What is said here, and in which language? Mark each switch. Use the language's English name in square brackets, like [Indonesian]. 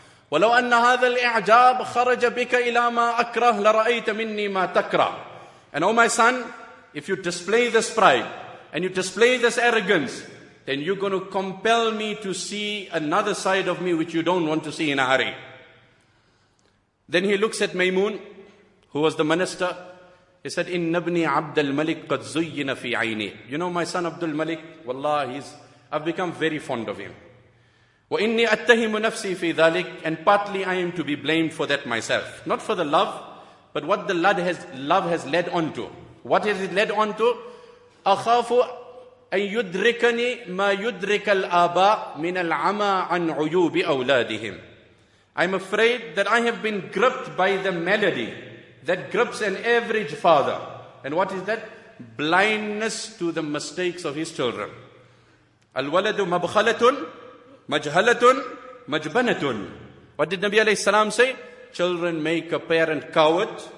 [Arabic] وَلَوْ أَنَّ هَذَا الْإِعْجَابِ خَرَجَ بِكَ إِلَىٰ مَا أَكْرَهُ لَرَأَيْتَ مِنِّي مَا تَكْرَهُ. [English] And oh my son, if you display this pride and you display this arrogance, then you're going to compel me to see another side of me which you don't want to see in a hurry. Then he looks at Maymoon, who was the minister. He said, [Arabic] إِنَّ ابْنِي عَبْدَ الْمَلِكِ قَدْ زُيِّنَ فِي عَيْنِي. [English] You know my son Abdul Malik, wallah, I've become very fond of him. [Arabic] وَإِنِّي أَتَّهِمُ نَفْسِي فِي ذَلِكِ. [English] And partly I am to be blamed for that myself. Not for the love, but what the love has led on to. What has it led on to? [Arabic] أَخَافُ أَن يُدْرِكَنِي مَا يُدْرِكَ الْآبَاء مِنَ الْعَمَى عَنْ عُيُوبِ أَوْلَادِهِمْ. [English] I'm afraid that I have been gripped by the malady that grips an average father. And what is that? Blindness to the mistakes of his children. [Arabic] Al-waladu mabkhalatun, majhalatun, majbanatun. [English] What did Nabi alayhi salam say? Children make a parent coward.